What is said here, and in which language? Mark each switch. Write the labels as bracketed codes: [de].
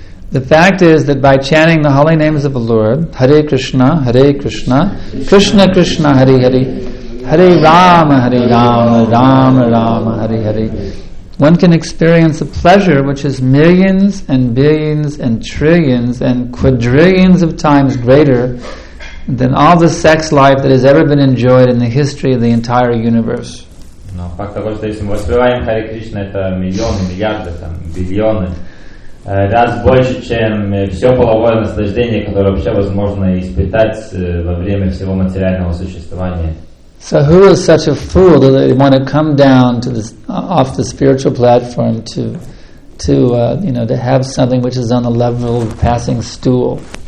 [en] The fact is that by chanting the holy names of the Lord, Hare Krishna, Krishna Krishna, Hare Hare, Hare Rama, Hare Rama, Rama Rama, Hare Hare. One can experience a pleasure which is millions and billions and trillions and quadrillions of times greater than all the sex life that has ever been enjoyed in the history of the entire universe. [ru] Но факт того, что если мы воспеваем Харе Кришна, это миллионы, миллиарды, там, биллионы, раз больше, чем все половое наслаждение, которое вообще возможно испытать во время всего материального существования. [en] So who is such a fool that they want to come down to this, off the spiritual platform to have something which is on the level of passing stool?